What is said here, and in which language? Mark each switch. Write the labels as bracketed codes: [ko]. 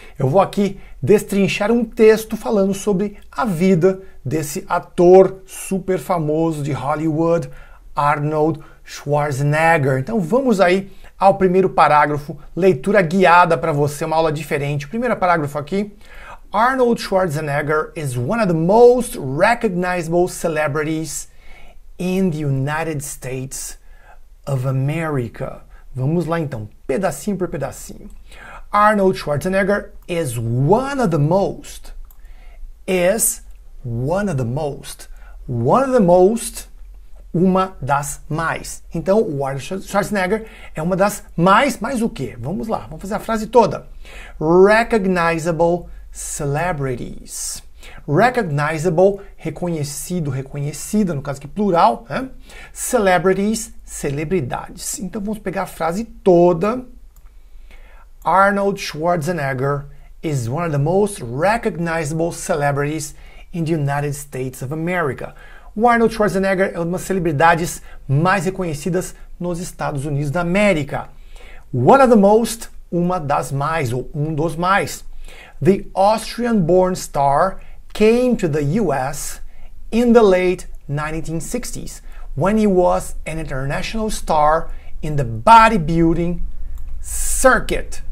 [pt] Eu vou aqui destrinchar um texto falando sobre a vida desse ator super famoso de Hollywood, Arnold Schwarzenegger. Então vamos aí ao primeiro parágrafo, leitura guiada para você, uma aula diferente. Primeiro parágrafo aqui. [en] Arnold Schwarzenegger is one of the most recognizable celebrities in the United States of America. [pt] Vamos lá então, pedacinho por pedacinho. Arnold Schwarzenegger [en] is one of the most. Is one of the most. One of the most. [pt] Uma das mais. Então, o Arnold Schwarzenegger é uma das mais. Mais o quê? Vamos lá, vamos fazer a frase toda. [en] Recognizable celebrities. [pt] Recognizable, reconhecido, reconhecida, no caso aqui plural, né? Celebrities, celebridades. Então vamos pegar a frase toda. [en] Arnold Schwarzenegger is one of the most recognizable celebrities in the United States of America. [pt] O Arnold Schwarzenegger é uma das celebridades mais reconhecidas nos Estados Unidos da América. [en] One of the most, [pt] uma das mais, ou um dos mais. [en] The Austrian-born star came to the US in the late 1960s, when he was an international star in the bodybuilding circuit.